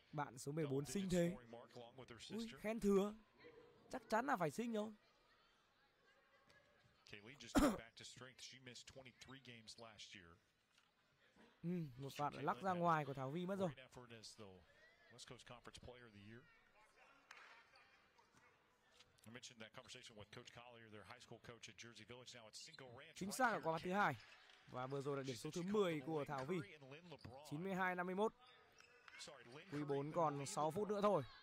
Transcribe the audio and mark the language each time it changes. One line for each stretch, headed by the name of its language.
Vietnamese: Bạn số 14 xinh thế. Ui, khen thừa. Chắc chắn là phải xinh rồi.
English: Kaylee just got back to strength. She missed 23 games last year.
Vietnamese: Một phạt lại lắc ra ngoài của Thảo Vi mất rồi.
English: West Coast Conference Player of the Year. I mentioned that conversation with Coach Collier, their high school coach at Jersey Village, now at Cinco Ranch.
Vietnamese: Chính xác ở quả phạt thứ hai. Và vừa rồi là điểm số thứ 10 của Thảo Vi. 92-51. Quý 4 còn 6 phút nữa thôi.